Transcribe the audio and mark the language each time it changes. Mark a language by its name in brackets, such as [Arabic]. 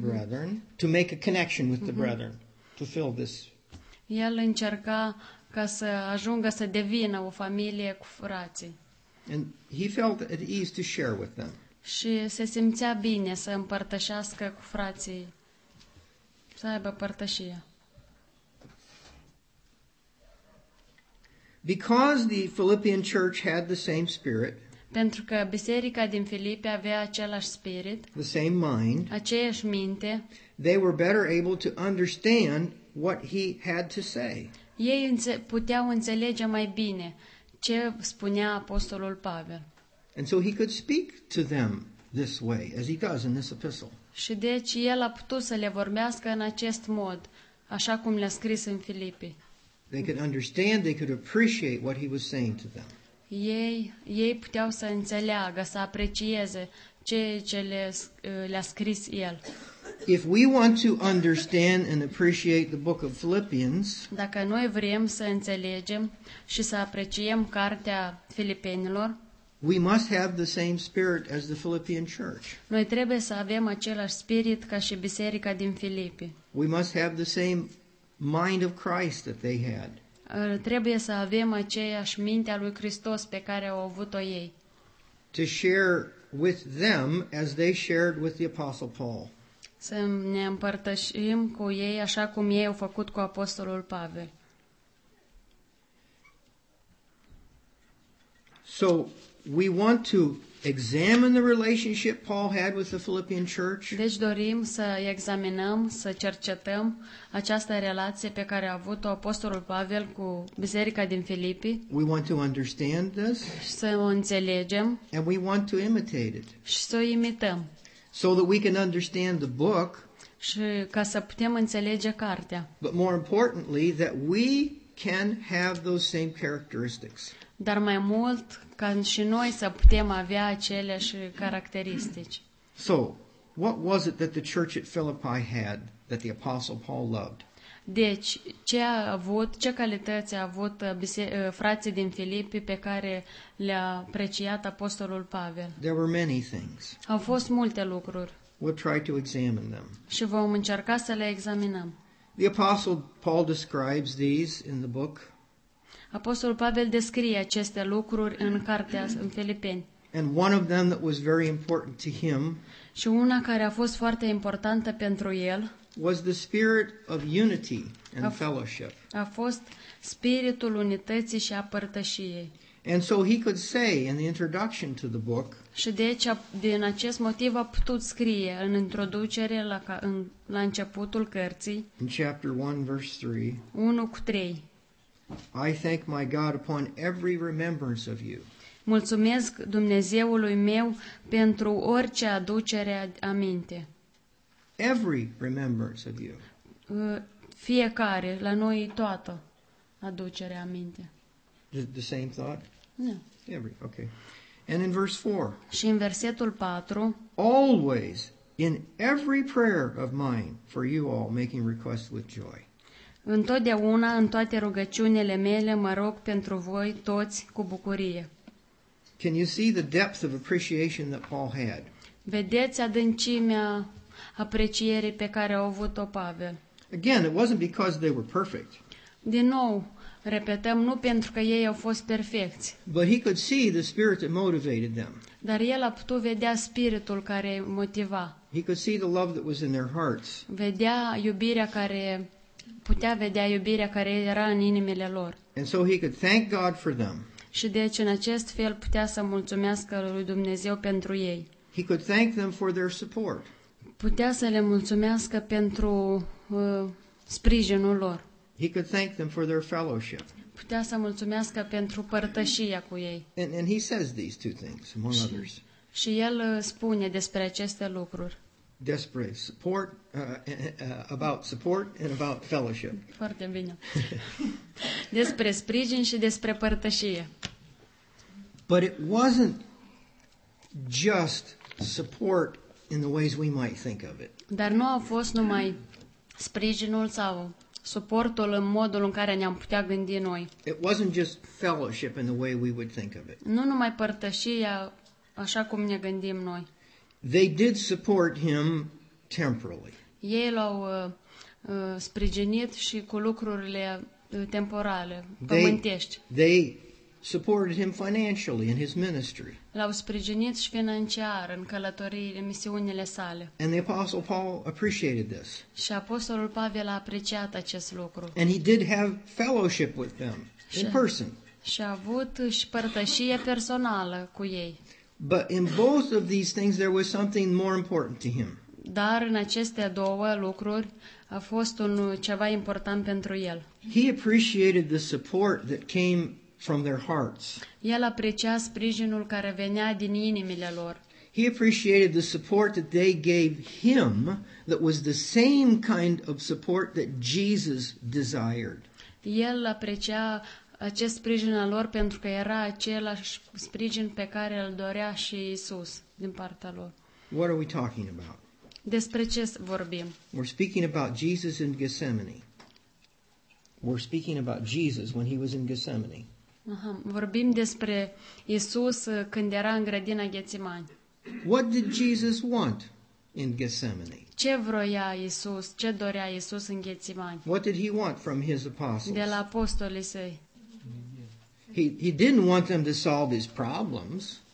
[English] brethren to make a connection with mm-hmm. the brethren to fill this. [Romanian] El încerca ca să ajungă să devină o familie cu frații. [English] And he felt at ease to share with them. [Romanian] Și se simțea bine să împărtășească cu frații, să aibă părtășie. [English] Because the Philippian church had the same spirit. [Romanian] Pentru că biserica din Filipi avea același spirit, [English] the same mind, [Romanian] aceeași minte, [English] they were better able to understand what he had to say. [Romanian] Ei puteau înțelege mai bine ce spunea Apostolul Pavel. [English] And so he could speak to them this way, as he does in this epistle. [Romanian] Și deci el a putut să le vorbească în acest mod, așa cum le-a scris în Filipi. [English] They could understand, they could appreciate what he was saying to them. [Romanian] Ei puteau să înțeleagă, să aprecieze ce le-a scris el. [English] If we want to understand and appreciate the book of Philippians, [Romanian] dacă noi vrem să înțelegem și să apreciem cartea Filipenilor, [English] we must have the same spirit as the Philippian church. [Romanian] Noi trebuie să avem același spirit ca și biserica din Filipi. [English] We must have the same mind of Christ that they had. [Romanian] Trebuie să avem aceeași minte a lui Hristos pe care au avut-o ei. [English] To share with them as they shared with the Apostle Paul. [Romanian] Să ne împărtășim cu ei așa cum ei au făcut cu Apostolul Pavel. [English] So, we want to examine the relationship Paul had with the Philippian church. [Romanian] Deci dorim să examinăm, să cercetăm această relație pe care a avut-o Apostolul Pavel cu biserica din Filipi. [English] We want to understand this. [Romanian] Să o înțelegem. [English] And we want to imitate it. [Romanian] Și să o imităm. [English] So that we can understand the book. [Romanian] Și ca să putem înțelege cartea. [English] But more importantly, that we can have those same characteristics. [Romanian] Dar mai mult ca și noi să putem avea aceleași caracteristici. [English] So, what was it that the church at Philippi had that the Apostle Paul loved? [Romanian] Deci, ce calități a avut frații din Filipi pe care le-a apreciat Apostolul Pavel? [English] There were many things. [Romanian] Au fost multe lucruri. [English] We'll try to examine them. [Romanian] Și vom încerca să le examinăm. [English] The Apostle Paul describes these in the book. [Romanian] Apostolul Pavel descrie aceste lucruri în cartea în Filipeni. [English] And one of them that was very important to him. [Romanian] Și una care a fost foarte importantă pentru el. [English] Was the spirit of unity and fellowship. [Romanian] A fost spiritul unității și a părtășiei. [English] And so he could say in the introduction to the book. [Romanian] Și deci din acest motiv a putut scrie în introducere la începutul cărții. [English] In chapter 1 verse 3. [Romanian] 1 cu 3. [English] I thank my God upon every remembrance of you. [Romanian] Mulțumesc Dumnezeului meu pentru orice aducere aminte. [English] Every remembrance of you. [Romanian] Fiecare, la noi toată aducere aminte. [English] The same thought? Yeah. Every, okay. And in verse 4. [Romanian] Și în versetul 4. [English] Always in every prayer of mine for you all making requests with joy. [Romanian] Întotdeauna, în toate rugăciunile mele, mă rog pentru voi toți cu bucurie. [English] Can you see the depth of appreciation that Paul had? [Romanian] Vedeți adâncimea aprecierii pe care a avut-o Pavel. [English] Again, it wasn't because they were perfect. [Romanian] Din nou, repetăm, nu pentru că ei au fost perfecți. [English] But he could see the spirit that motivated them. [Romanian] Dar el a putut vedea spiritul care îi motiva. [English] He could see the love that was in their hearts. [Romanian] Vedea iubirea care putea vedea iubirea care era în inimile lor. [English] And so he could thank God for them. [Romanian] Și deci în acest fel putea să mulțumească lui Dumnezeu pentru ei. [English] He could thank them for their support. [Romanian] Putea să le mulțumească pentru sprijinul lor. [English] He could thank them for their fellowship. [Romanian] Putea să mulțumească pentru părtășia cu ei. [English] And he says these two things among și, others. [Romanian] Și el spune despre aceste lucruri. [English] Despre support, about support and about fellowship. [Romanian] Foarte bine. Despre sprijin și despre părtășie. [English] But it wasn't just support in the ways we might think of it. [Romanian] Dar nu a fost numai sprijinul sau suportul în modul în care ne-am putea gândi noi. [English] It wasn't just fellowship in the way we would think of it. [Romanian] Nu numai părtășia așa cum ne gândim noi. [English] They did support him temporally. [Romanian] Ei l-au sprijinit și cu lucrurile temporale, pământești. [English] They supported him financially in his ministry. [Romanian] L-au sprijinit și financiar în călătoriile, misiunile sale. [English] And the Apostle Paul appreciated this. [Romanian] Și Apostolul Pavel a apreciat acest lucru. [English] And he did have fellowship with them in person. [Romanian] Și a avut și părtășie personală cu ei. [English] But in both of these things there was something more important to him. [Romanian] Dar în aceste două lucruri a fost un ceva important pentru el. [English] He appreciated the support that came from their hearts. [Romanian] El aprecia sprijinul care venea din inimile lor. [English] He appreciated the support that they gave him that was the same kind of support that Jesus desired. [Romanian] El aprecia acest sprijin al lor pentru că era același sprijin pe care îl dorea și Iisus din partea lor. [English] What are we talking about? [Romanian] Despre ce vorbim? [English] We're speaking about Jesus in Gethsemane. We're speaking about Jesus when he was in Gethsemane. [Romanian] Vorbim despre Iisus când era în grădina Ghețimani. [English] What did Jesus want in Gethsemane? [Romanian] Ce vroia Iisus? Ce dorea Iisus în Ghețimani? [English] What did he want from his apostles? [Romanian] De la apostolii săi. [English] He didn't want them to solve his problems.